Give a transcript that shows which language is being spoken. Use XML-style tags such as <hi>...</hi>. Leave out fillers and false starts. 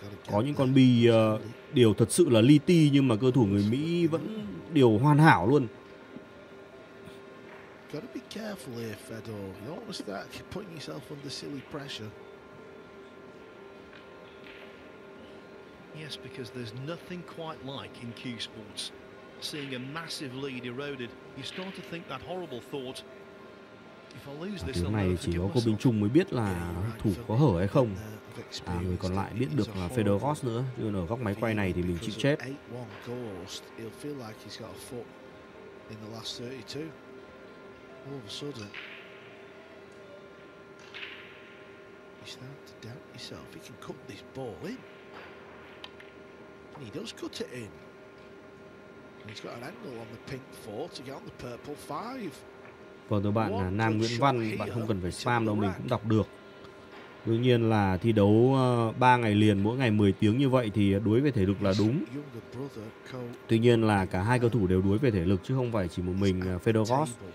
<vi>Có những con bi điều thật sự là li ti nhưng mà cơ thủ người Mỹ vẫn điều hoàn hảo luôn.</vi> <en>Gotta be careful here, Fedor. You don't want to start putting yourself under silly pressure. Yes, because there's nothing quite like in Q Sports seeing a massive lead eroded. You start to think that horrible thought. If I lose this,</en> <vi>tiếng này chỉ có cô Bình Trung mới biết là thủ có hở hay không. À, người còn lại biết được là Fedor Ghost nữa. Nhưng ở góc máy quay này thì mình chịu chết.</vi> <en>He'll feel like he's got a foot in the last 32. All of a sudden, you start to doubt yourself. He can cut this ball in. And he does cut it in. And he's got an angle on the pink four to get on the purple five.</en> <vi>Vâng, thưa bạn, Nam Nguyễn Văn, bạn không cần phải spam đâu, mình cũng đọc được. Đương nhiên là thi đấu 3 ngày liền, mỗi ngày 10 tiếng như vậy thì đuối về thể lực là đúng. Tuy nhiên là cả hai cầu thủ đều đuối về thể lực chứ không phải chỉ một mình Fedorov.</vi>